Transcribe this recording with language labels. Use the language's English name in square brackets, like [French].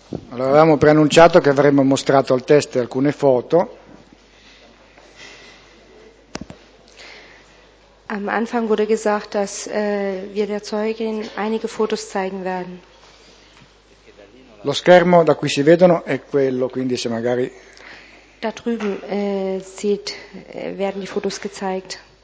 [Italian] Allora, avevamo preannunciato che avremmo mostrato al test alcune foto. [German] Am Anfang wurde gesagt, dass wir der Zeugin einige Fotos zeigen werden. [Italian] Lo schermo da cui si vedono è quello, quindi se magari [German] da drüben werden die Fotos gezeigt.